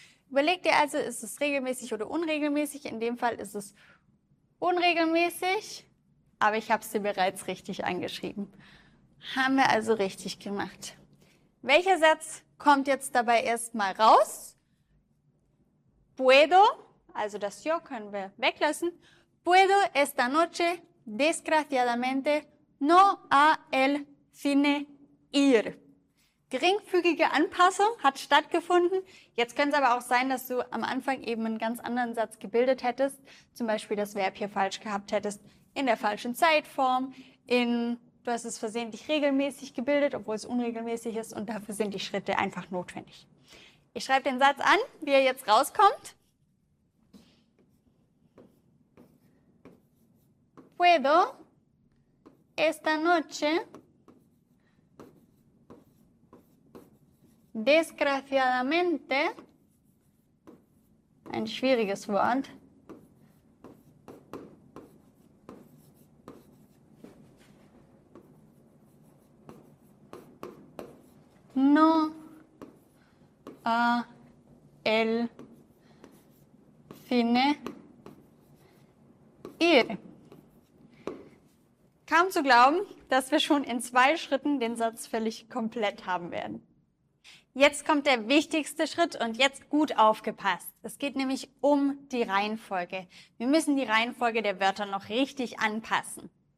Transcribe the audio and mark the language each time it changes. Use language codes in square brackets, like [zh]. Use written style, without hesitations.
[de] Überleg dir also, ist es regelmäßig oder unregelmäßig? In dem Fall ist es unregelmäßig, aber ich habe es dir bereits richtig angeschrieben. Haben wir also richtig gemacht. Welcher Satz kommt jetzt dabei erstmal raus? [es] Puedo, [de] also das yo können wir weglassen. [es] Puedo esta noche desgraciadamente no a el cine ir. [de] Geringfügige Anpassung hat stattgefunden. Jetzt könnte es aber auch sein, dass du am Anfang eben einen ganz anderen Satz gebildet hättest. Zum Beispiel das Verb hier falsch gehabt hättest. In der falschen Zeitform. Du hast es versehentlich regelmäßig gebildet, obwohl es unregelmäßig ist. Und dafür sind die Schritte einfach notwendig. Ich schreibe den Satz an, wie er jetzt rauskommt. [es] Puedo esta noche desgraciadamente, [de] ein schwieriges Wort, [es] no a el cine ir. [de] Kaum zu glauben, dass wir schon in zwei Schritten den Satz völlig komplett haben werden. Jetzt kommt der wichtigste Schritt und jetzt gut aufgepasst. Es geht nämlich um die Reihenfolge. Wir müssen die Reihenfolge der Wörter noch richtig anpassen.